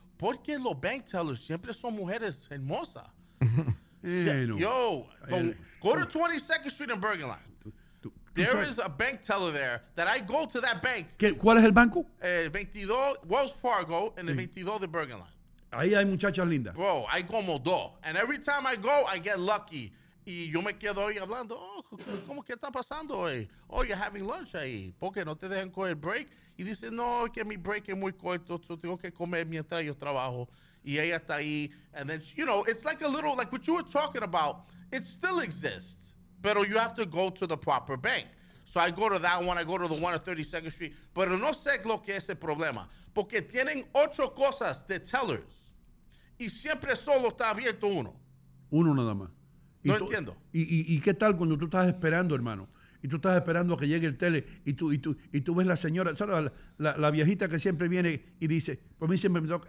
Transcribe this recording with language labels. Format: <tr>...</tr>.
<es>¿Por qué los bank tellers siempre son mujeres hermosas?</es> <en>Go to 22nd Street and Bergenline. There is a bank teller there that I go to that bank.</en> <es>¿Cuál es el banco? 22, Wells Fargo, and the 22 de Bergenline. Ahí hay muchachas lindas. Bro, hay como dos.</es> <en>And every time I go, I get lucky.</en> <es>Y yo me quedo ahí hablando. Oh, ¿cómo que está pasando hoy? Oh,</es> <en>you're having lunch</en> <es>ahí. ¿Por qué no te dejan coger break? Y dice, no, que mi break es muy corto. Yo tengo que comer mientras yo trabajo. Y ella está ahí.</es> <en>And then, you know, it's like a little, like what you were talking about, it still exists. But you have to go to the proper bank. So I go to that one. I go to the one at 32nd Street.</en> <es>Pero no sé lo que es el problema. Porque tienen ocho cosas de tellers. Y siempre solo está abierto uno. Uno nada más. No entiendo. ¿Y qué tal cuando tú estás esperando, hermano? Y tú estás esperando a que llegue el tele. Y tú ves la señora, ¿sabes? La viejita que siempre viene y dice, pues a mí siempre me toca.</es>